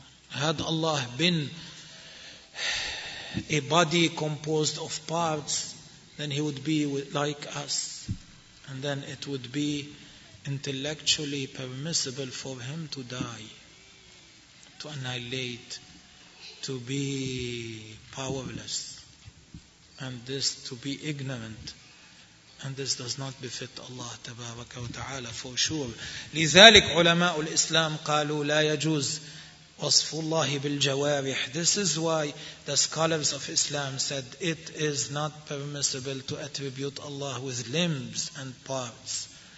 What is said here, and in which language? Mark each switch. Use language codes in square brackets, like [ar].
[en] Had Allah been a body composed of parts, then He would be like us, and then it would be intellectually permissible for Him to die, to annihilate, to be powerless, and this to be ignorant, and this does not befit Allah Tabaraka wa Ta'ala for sure. [ar] لذلك علماء الإسلام قالوا لا يجوز وصف الله بالجوارح. [en] This is why the scholars of Islam said it is not permissible to attribute Allah with limbs and parts.